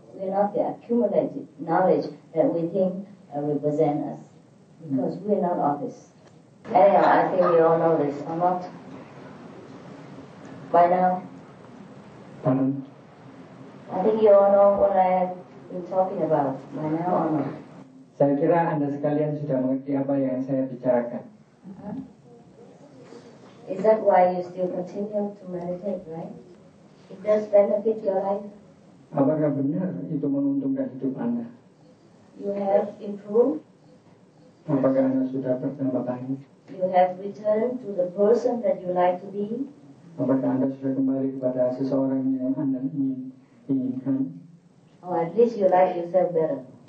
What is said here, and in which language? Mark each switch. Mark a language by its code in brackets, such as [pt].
[en] We are not the accumulated knowledge that we think represent us. Because we are not all this. Anyhow, I think you all know this, or not? By now? Pardon? I think you all know what I have been talking about, by now or not? [id] Saya kira Anda sekalian sudah mengerti apa yang saya bicarakan. [en] Is that why you still continue to meditate, right? It does benefit your life. [id] Apakah benar itu menguntungkan hidup Anda? [en] You have improved. [id] Apakah Anda sudah bertambah baik? [en] You have returned to the person that you like to be. [id] Apakah Anda sudah kembali kepada seseorang yang Anda inginkan? [en] Or at least you like yourself better.